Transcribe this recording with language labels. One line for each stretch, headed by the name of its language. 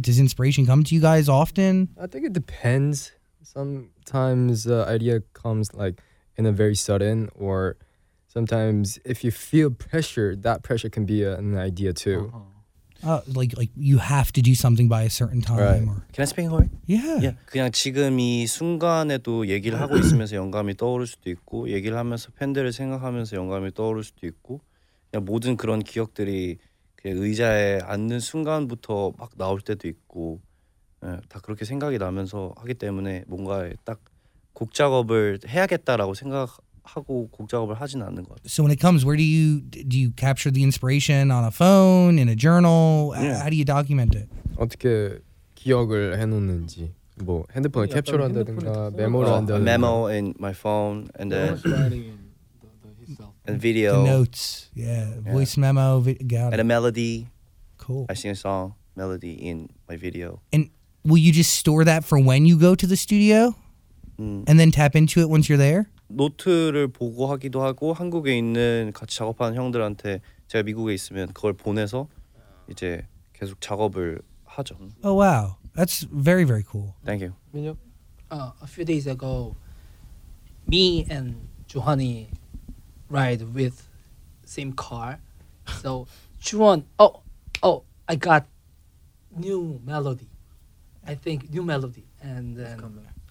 English: Does inspiration come to you guys often? I think it depends. Sometimes the idea comes, like, in a very sudden, or sometimes if you feel pressure, that pressure can be an idea, too. Uh-huh. Like you have to do something by a certain time. Right. Or... Can I speak in Korean? Yeah. Yeah.
Korean: 그냥 지금 이 순간에도 얘기를 하고 있으면서 영감이 떠오를 수도 있고 얘기를 하면서 팬들을 생각하면서 영감이 떠오를 수도 있고 그냥 모든 그런 기억들이 그냥 의자에 앉는 순간부터 막 나올 때도 있고 다 그렇게 생각이 나면서 하기 때문에 뭔가 딱 곡 작업을 해야겠다라고 생각하고 곡 작업을 하진 않는 것 같아요.
English: So when it comes, where do you capture the inspiration? On a phone, in a journal? Yeah. How do you document it?
Korean: 어떻게 기억을 해놓는지 뭐 핸드폰을 캡처를 한다든가 메모를 한다든가
English: 메모 in my phone and then and video the notes voice memo and a melody cool I sing a song melody in my video and will you just store that for when you go to the studio and then tap into it once you're there
Korean: 노트를 보고하기도 하고 한국에 있는 같이 작업하는 형들한테 제가 미국에 있으면 그걸 보내서 이제 계속 작업을 하죠.
English: Oh wow, that's very very cool. Thank you. A few days ago, me and Johanny ride with same car. So Juhan, I got new melody. I think new melody and then.